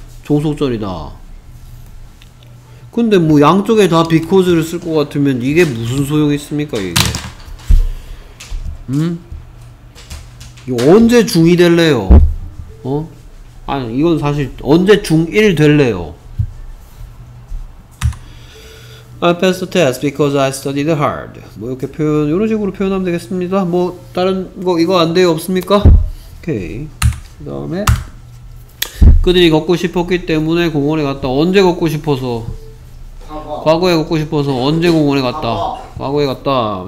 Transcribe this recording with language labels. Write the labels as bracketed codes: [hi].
[ko] 종속절이다. 근데 뭐 양쪽에 다 because를 쓸 것 같으면 이게 무슨 소용 있습니까, 이게? 음? 이거 언제 중2 될래요? 어? 아니 이건 사실 언제 중1 될래요? [en] I passed the test because I studied hard. [ko] 뭐 이렇게 표현, 이런 식으로 표현하면 되겠습니다. 뭐 다른 거 이거 안 돼요? 없습니까? 오케이. 그 다음에 그들이 걷고 싶었기 때문에 공원에 갔다. 언제 걷고 싶어서? 과거. 과거에 걷고 싶어서 언제 공원에 갔다? 과거. 과거에 갔다.